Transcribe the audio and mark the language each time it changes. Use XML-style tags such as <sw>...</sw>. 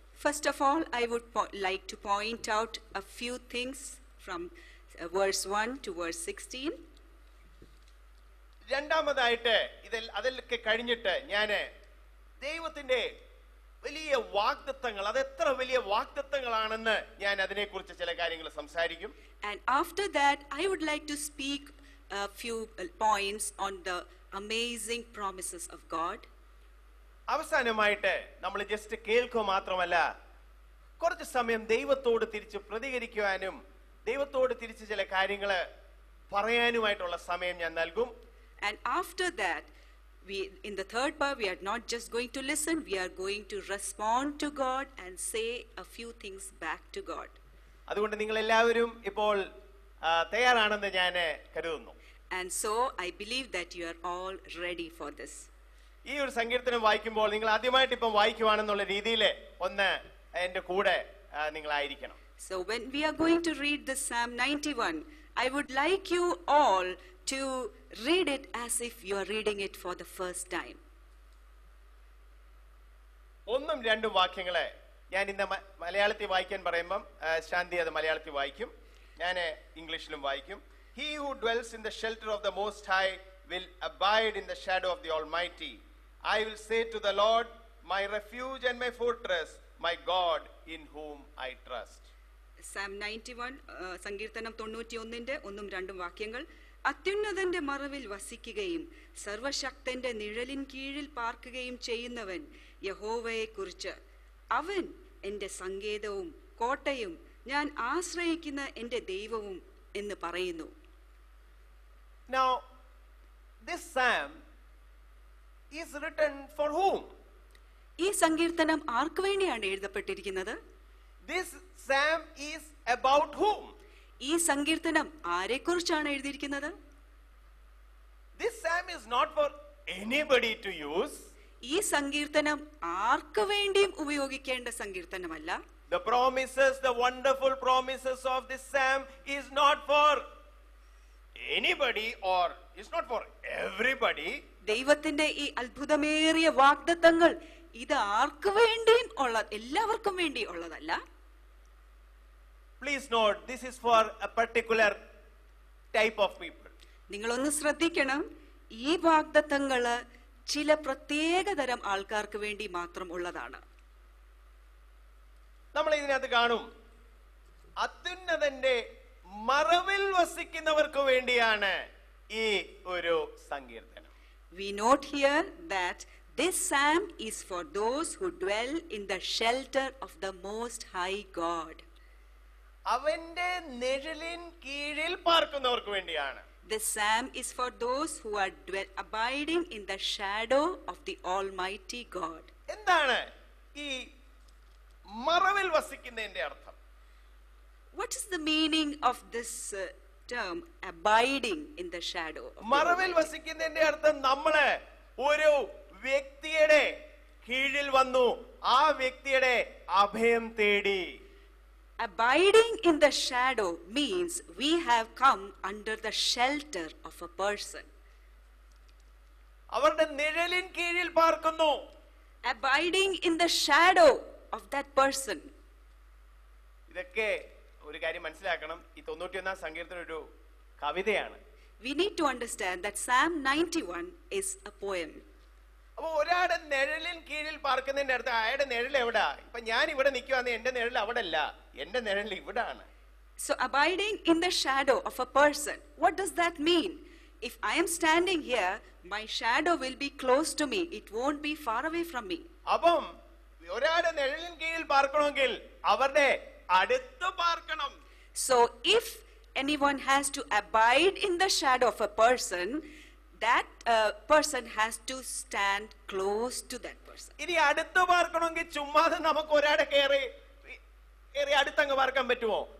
<en>First of all I would like to point out a few things from verse 1 to verse 16.</en> <ml>രണ്ടാമതായിട്ട് ഇതിൽ അതിലൊക്കെ കഴിഞ്ഞിട്ട് ഞാന് ദൈവത്തിന്റെ വലിയ വാഗ്ദത്തങ്ങൾ അത് എത്ര വലിയ വാഗ്ദത്തങ്ങളാണെന്ന് ഞാൻ അതിനെ കുറിച്ച് ചില കാര്യങ്ങൾ സംസാരിക്കും</ml> <en>And after that I would like to speak a few points on the amazing promises of God</en> <ml>അവസാനമായിട്ട് നമ്മൾ ജസ്റ്റ് കേൾക്കുക മാത്രമല്ല കുറച്ച് സമയം ദൈവത്തോട് തിരിച്ച് പ്രതികരിക്കുവാനും ദൈവത്തോട് തിരിച്ച് ചില കാര്യങ്ങൾ പറയാനുമായിട്ടുള്ള സമയം ഞാൻ നൽകും.</ml> <en>And after that, in the third part, we are not just going to listen, we are going to respond to God and say a few things back to God.</en> <ml>അതുകൊണ്ട് നിങ്ങൾ എല്ലാവരും ഇപ്പോൾ തയ്യാറാണെന്ന് ഞാൻ കരുതുന്നു.</ml> <en>And so I believe that you are all ready for this.</en> <ml>ഈ ഒരു സംഗീതം വായിക്കുമ്പോൾ നിങ്ങൾ ആദ്യമായിട്ട് ഇപ്പോൾ വായിക്കുവാനുള്ള രീതിയിൽ ഒന്ന് എൻ്റെ കൂടെ നിങ്ങൾ ആയിരിക്കണം.</ml> <en>So when we are going to read the Psalm 91, I would like you all to read it as if you are reading it for the first time.</en> <ml>ഒന്നും രണ്ടും വാക്യങ്ങളെ ഞാൻ ഇന്ന് മലയാളത്തിൽ വായിക്കാൻ പറയുമ്പോൾ ശാന്തി അത് മലയാളത്തിൽ വായിക്കും, ഞാൻ ഇംഗ്ലീഷിലും വായിക്കും.</ml> <en>He who dwells in the shelter of the Most High will abide in the shadow of the Almighty. I will say to the Lord, my refuge and my fortress, my God in whom I trust.</en> <ml>Psalm 91, സങ്കീർത്തനം 91:1 ഒന്നും രണ്ടും വാക്യങ്ങൾ. അത്യുന്നതന്റെ മറവിൽ വസിക്കുകയും സർവശക്തന്റെ നിഴലിൻ കീഴിൽ പാർക്കുകയും ചെയ്യുന്നവൻ യഹോവയെ കുറിച്ച്, അവൻ എന്റെ സങ്കേതവും കോട്ടയും ഞാൻ ആശ്രയിക്കുന്ന എന്റെ ദൈവവും എന്ന് പറയുന്നു.</ml> <en>Now, this psalm is written for whom?</en> <ml>ഈ സങ്കീർത്തനം ആർക്ക് വേണ്ടിയാണ് എഴുതപ്പെട്ടിരിക്കുന്നത്?</ml> <en>This psalm is about whom?</en> <ml>ഈ സങ്കീർത്തനം ആരെക്കുറിച്ചാണ് എഴുതിയിരിക്കുന്നത്?</ml> <en>This psalm is not for anybody to use.</en> <ml>ഈ സങ്കീർത്തനം ആർക്ക് വേണ്ടിയും ഉപയോഗിക്കേണ്ട സങ്കീർത്തനമല്ല.</ml> <en>The promises, the wonderful promises of this psalm is not for anybody or is not for everybody.</en> <ml>ദൈവത്തിന്റെ ഈ അത്ഭുതമേറിയ വാഗ്ദത്തങ്ങൾ ഇത് ആർക്ക് വേണ്ടിയും ഉള്ള എല്ലാവർക്കും വേണ്ടി ഉള്ളതല്ല.</ml> <en>Please note, this is for a particular type of people.</en> <ml>നിങ്ങൾ ഒന്ന് ശ്രദ്ധിക്കണം, ഈ വാഗ്ദത്തങ്ങൾ ചില പ്രത്യേക തരം ആൾക്കാർക്ക് വേണ്ടി മാത്രം ഉള്ളതാണ്. നമ്മൾ ഇതിനകത്ത് കാണും, അത്യുന്നതന്റെ മറവിൽ വസിക്കുന്നവർക്ക് വേണ്ടിയാണ് ഈ ഒരു സങ്കീർത്തനം.</ml> <en>We note here that this psalm is for those who dwell in the shelter of the Most High God.</en> <ml>അവന്റെ നിഴലിൻ കീഴിൽ പാർക്കുന്നവർക്ക് വേണ്ടിയാണ്.</ml> <en>This psalm is for those who are abiding in the shadow of the Almighty God.</en> <ml>എന്താണ് ഈ മറവിൽ വസിക്കുന്നതിന്റെ അർത്ഥം?</ml> <en>What is the meaning of this term, abiding in the shadow?</en> <ml>മറവിൽ വസിക്കുന്നതിന്റെ അർത്ഥം നമ്മളെ ഒരു വ്യക്തിയുടെ കീഴിൽ വന്നു, ആ വ്യക്തിയുടെ അഭയം തേടി.</ml> <en>Abiding in the shadow means we have come under the shelter of a person.</en> <ml>അവരുടെ നിഴലിൻ കീഴിൽ പാർക്കുന്നു.</ml> <en>Abiding in the shadow of that person.</en> <ml>ഇതൊക്കെ ഒരു കാര്യം മനസ്സിലാക്കണം, ഈ 91 സംഗീതത്തിന്റെ ഒരു കവിതയാണ്.</ml> <en>We need to understand that Psalm 91 is a poem.</en> <ml>അപ്പോൾ ഒരാളുടെ നിഴലിൻ കീഴിൽ പാർക്കുന്നതിന്റെ അർത്ഥം അയാളുടെ നിഴൽ എവിടാ? ഇപ്പൊ ഞാൻ ഇവിടെ നിൽക്കുവാന്ന്, എന്റെ നിഴൽ അവിടെയല്ല, എന്റെ നിഴൽ ഇവിടാണ്.</ml> <en>So abiding in the shadow of a person, what does that mean? If I am standing here, my shadow will be close to me, it won't be far away from me.</en> <ml>അപ്പം ഒരാളുടെ നിഴലിൻ കീഴിൽ പാർക്കണമെങ്കിൽ അവരുടെ അടുത്ത് പാർക്കണം.</ml> <en>So if anyone has to abide in the shadow of a person, that person has to stand close to that person.</en> <ml>ഇനി അടുത്ത് പാർക്കണമെങ്കിൽ ചുമ്മാതെ നമുക്ക് ഒരാളെ കയറി ഏറെ അടുത്തങ്ങ് പാർക്കാൻ പറ്റുമോ?</ml>